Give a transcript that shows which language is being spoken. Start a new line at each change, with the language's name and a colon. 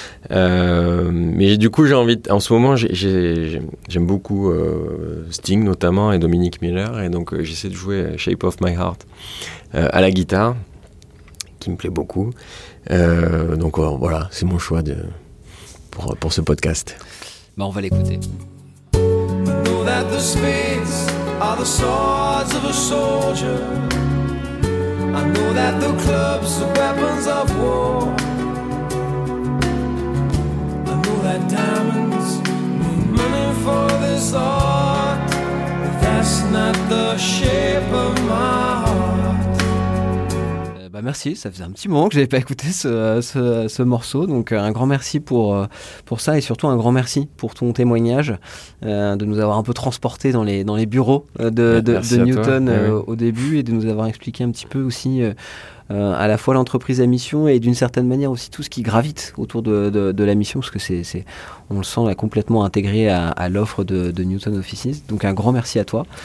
French: Mais du coup, j'ai envie, en ce moment, j'aime beaucoup Sting notamment et Dominic Miller, et donc j'essaie de jouer Shape of My Heart à la guitare, qui me plaît beaucoup. Donc voilà, c'est mon choix pour ce podcast. Bah, on va l'écouter.
English: Know that the spades are the swords of a soldier. I know that the clubs are weapons of war. I know that diamonds mean money for this art. But that's not the shape of my heart.
French: Bah merci, ça faisait un petit moment que je n'avais pas écouté ce morceau, donc un grand merci pour ça, et surtout un grand merci pour ton témoignage, de nous avoir un peu transporté dans les bureaux de Newton au début, et de nous avoir expliqué un petit peu aussi à la fois l'entreprise à mission et d'une certaine manière aussi tout ce qui gravite autour de la mission, parce que c'est on le sent là, complètement intégré à l'offre de Newton Offices. Donc un grand merci à toi.